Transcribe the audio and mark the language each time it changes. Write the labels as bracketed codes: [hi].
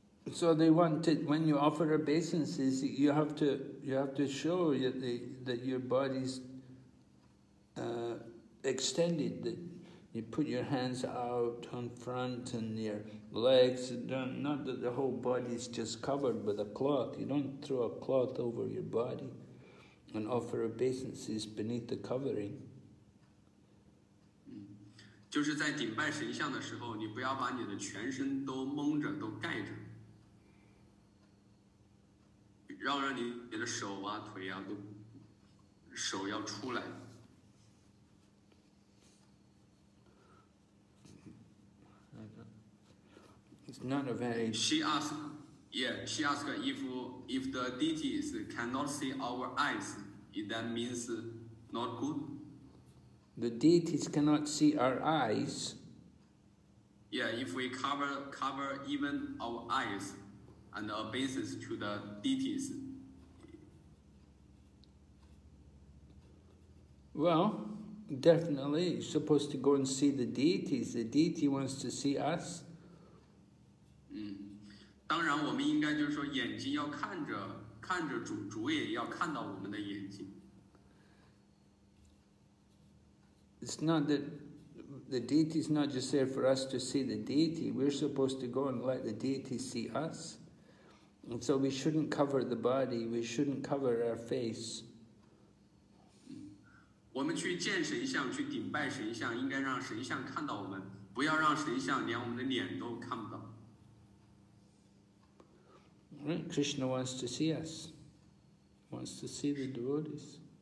[en] So they want it when you offer obeisances, you have to show that your body's extended, that you put your hands out on front and your legs, not that the whole body is just covered with a cloth. You don't throw a cloth over your body and offer obeisances beneath the covering. [zh] 就是在顶拜神像的时候，你不要把你的全身都蒙着，都盖着。让你的手啊腿啊都手要出来。 [en] It's not a very. She asked if the deities cannot see our eyes, that means not good. The deities cannot see our eyes. Yeah, if we cover even our eyes. And obeisances to the deities. Well, definitely, you're supposed to go and see the deities. The deity wants to see us. [zh] 当然我们应该就是说眼睛要看着主，主也要看到我们的眼睛。 [en] It's not that the deity is not just there for us to see the deity. We're supposed to go and let the deity see us. And so we shouldn't cover the body, we shouldn't cover our face. [zh] 我们去见神像，去顶拜神像，应该让神像看到我们，不要让神像连我们的脸都看不到。 [en] Krishna wants to see us, wants to see the devotees.